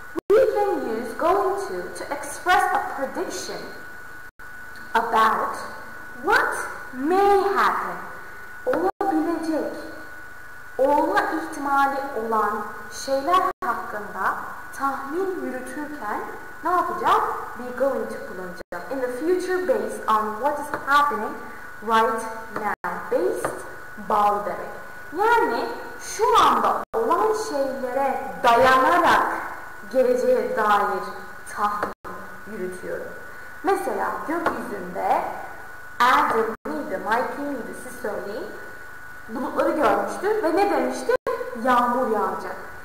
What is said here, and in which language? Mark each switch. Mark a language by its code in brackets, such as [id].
[en] We can use going to express a prediction about what may happen. [tr] Olabilecek olma ihtimali olan şeyler hakkında tahmin yürütürken ne yapacağım? Be going to kullanacağım. [en] In the future based on what is happening right now. [tr] Based bağlı demek. Yani şu anda olan şeylere dayanarak geleceğe dair tahmin yürütüyorum. Mesela gökyüzünde Adam neydi, Mike neydi siz söyleyin. Bulutları görmüştü ve ne demişti? Yağmur yağacak.